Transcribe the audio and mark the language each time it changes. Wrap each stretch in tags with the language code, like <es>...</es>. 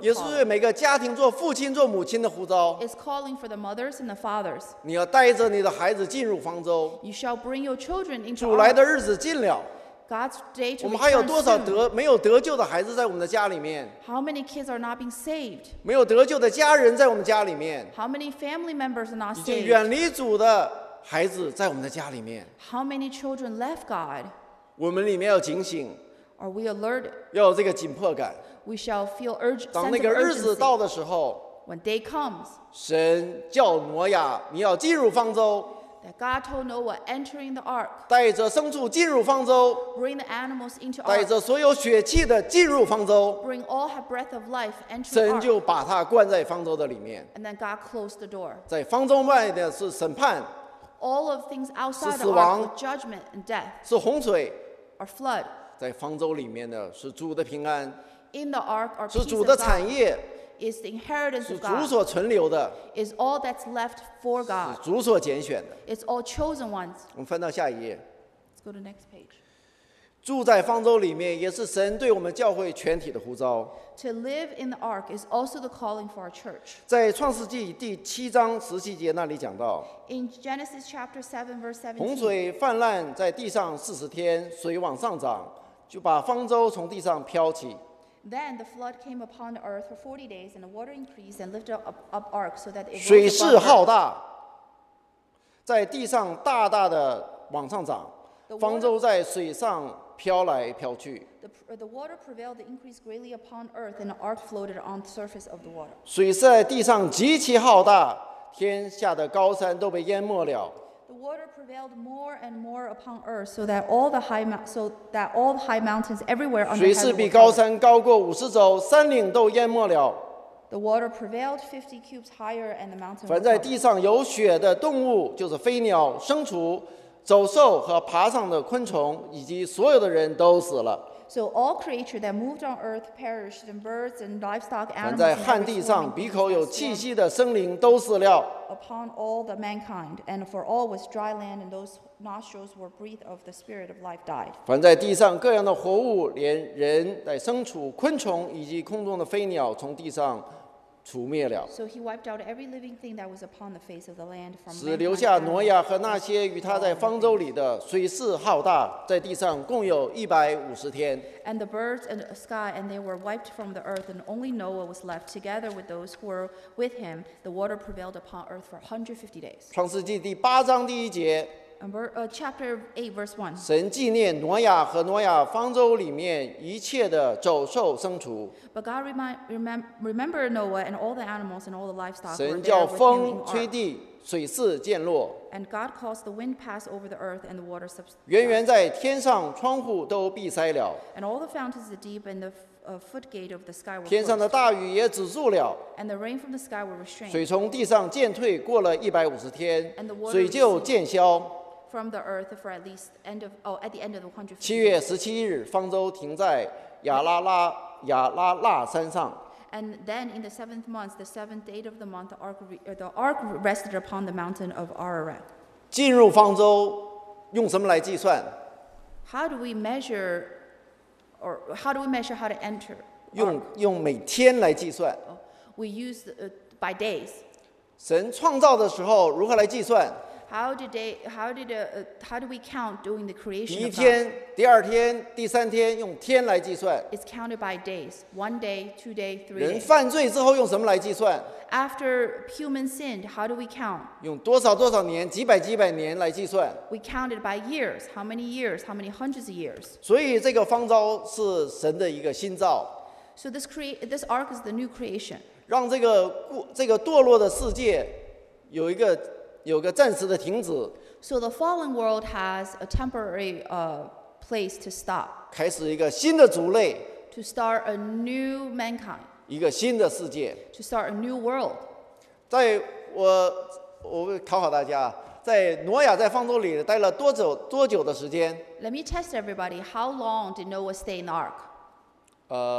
<zh>也是对每个家庭做父亲做母亲的呼召，</zh> <en>is calling for the mothers and the fathers.</en> <zh>你要带着你的孩子进入方舟，</zh> <en>you shall bring your children into ark.</en> <zh>主来的日子近了。</zh> <en>God's day to</en> <zh>我们还有多少得没有得救的孩子在我们的家里面？</zh> <en>How many kids are not being saved?</en> <zh>没有得救的家人在我们家里面？</zh> <en>How many family members are not saved?</en> <zh>已经远离主的孩子在我们的家里面？</zh> <en>How many children left God?</en> <zh>我们里面要警醒。</zh> <en>Are we alert?</en> <zh>要有这个紧迫感。</zh> <en>We shall feel urgency.</en> <zh>当那个日子到的时候，</zh> <en>When day comes,</en> <zh>神叫挪亚，你要进入方舟。</zh> <en>That God told Noah entering the ark,</en> <zh>带着牲畜进入方舟，</zh> <en>bring the animals into ark,</en> <zh>带着所有血气的进入方舟，</zh> <en>bring all her breath of life entering ark,</en> <zh>神就把他关在方舟的里面，</zh> <en>and then God closed the door.</en> <zh>在方舟外的是审判，</zh> <en>all of things outside the ark,</en> <zh>是死亡，</zh> <en>judgment and death,</en> <zh>是洪水，</zh> <en>or flood.</en> <zh>在方舟里面的是主的平安，</zh> <en>in the ark are</en> <zh>是主的产业。</zh> <en>Is the inheritance of God,</en> <zh>是主所存留的，</zh> <en>is all that's left for God,</en> <zh>是主所拣选的，</zh> <en>it's all chosen ones.</en> <zh>我们翻到下一页，</zh> <en>Let's go to the next page.</en> <zh>住在方舟里面也是神对我们教会全体的呼召。</zh> <en>To live in the ark is also the calling for our church.</en> <zh>在创世纪第七章十七节那里讲到，</zh> <en>In Genesis chapter 7 verse 17,</en> <zh>洪水泛滥在地上四十天，水往上涨，就把方舟从地上飘起。</zh> <en>Then the flood came upon the earth for 40 days, and the water increased and lifted up ark so that it was</en> <zh>水势浩大，在地上大大的往上涨，方舟在水上飘来飘去。</zh> <en>The water prevailed and increased greatly upon earth, and the ark floated on the surface of the water.</en> <zh>水势在地上极其浩大，天下的高山都被淹没了。</zh> <en>The water prevailed more and more upon earth, so that all the high mountains everywhere on the</en> <zh>earth. 水势比高山高过五十肘，山岭都淹没了。</zh> <en>The water prevailed 50 cubits higher, and the mountains.</en> <zh>凡在地上有血的动物，就是飞鸟、牲畜、走兽和爬上的昆虫，以及所有的人都死了。</zh> <en>So all creatures that moved on earth perished, and birds and livestock animals.</en> <zh>凡在旱地上鼻口有气息的生灵都死了。</zh> <en>Upon all the mankind, and for all was dry land, and those nostrils were breathed of the spirit of life died.</en> <zh>凡在地上各样的活物，连人的牲畜、昆虫以及空中的飞鸟，从地上除灭了。</zh> <en>So he wiped out every living thing that was upon the face of the land from.</en> <zh>只留下挪亚和那些与他在方舟里的。水势浩大，在地上共有150天。</zh> <en>And the birds and the sky, and they were wiped from the earth, and only Noah was left, together with those who were with him. The water prevailed upon earth for 150 days.</en> <zh>创世纪第八章第一节。</zh> <en>Chapter 8, verse 1.</en> <zh>神纪念挪亚和挪亚方舟里面一切的走兽牲畜。</zh> <en>But God remember Noah and all the animals and all the livestock.</en> <zh>神叫风吹地，水势渐落。</zh> <en>And God caused the wind pass over the earth and the water subsided.</en> <zh>远远在天上窗户都闭塞了。</zh> <en>And all the fountains of the deep and the footgate of the sky were closed.</en> <zh>天上的大雨也止住了。</zh> <en>And the rain from the sky were restrained.</en> <zh>水从地上渐退，过了150天。</zh> <en>And the water.</en> <zh>水就渐消。</zh> <en>From the earth for at least end of oh at the end of the 150.</en> <zh>七月十七日，方舟停在亚拉拉山上。</zh> <en>And then in the seventh month, the seventh day of the month, the ark rested upon the mountain of Ararat.</en> <zh>进入方舟用什么来计算</zh> <en>？How do we measure, or how do we measure how to enter?</en> <zh>用每天来计算。</zh> <en>We use by days.</en> <zh>神创造的时候如何来计算？</zh> <en>How do we count during the creation?</en> <zh>第一天、第二天、第三天用天来计算。</zh> <en>It's counted by days. One day, two day, three.</en> <zh>人犯罪之后用什么来计算</zh> <en>？After human sinned, how do we count?</en> <zh>用多少多少年、几百几百年来计算</zh> <en>？We counted by years. How many years? How many hundreds of years?</en> <zh>所以这个方舟是神的一个新造。</zh> <en>So this ark is the new creation.</en> <zh>让这个堕落的世界有个暂时的停止。</zh> <en>So the fallen world has a temporary place to stop.</en> <zh>开始一个新的族类。</zh> <en>To start a new mankind.</en> <zh>一个新的世界。</zh> <en>To start a new world.</en> <zh>在我考考大家，在挪亚在方舟里待了多久的时间</zh> <en>？Let me test everybody. How long did Noah stay in the ark?</en>